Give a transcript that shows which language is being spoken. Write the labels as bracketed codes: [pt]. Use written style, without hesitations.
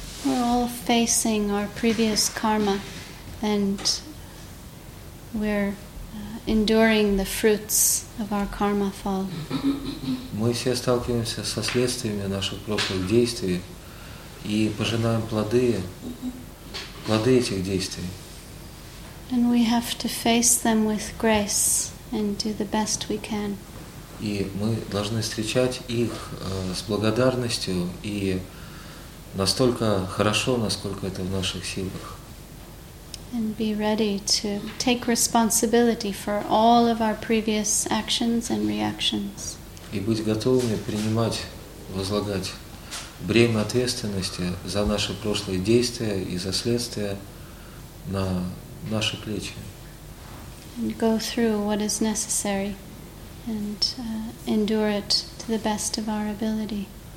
[en] We're all facing our previous karma, and we're enduring the fruits of our karma fall. [ru] Мы все сталкиваемся со следствиями наших прошлых действий и пожинаем плоды этих действий. [en] And we have to face them with grace and do the best we can. [ru] И мы должны встречать их с благодарностью и настолько хорошо, насколько это в наших силах. [en] And be ready to take responsibility for all of our previous actions and reactions. [ru] И быть готовыми принимать, возлагать бремя ответственности за наши прошлые действия и за следствия на наши плечи. [en] And go through what is necessary and endure it to the best of our ability.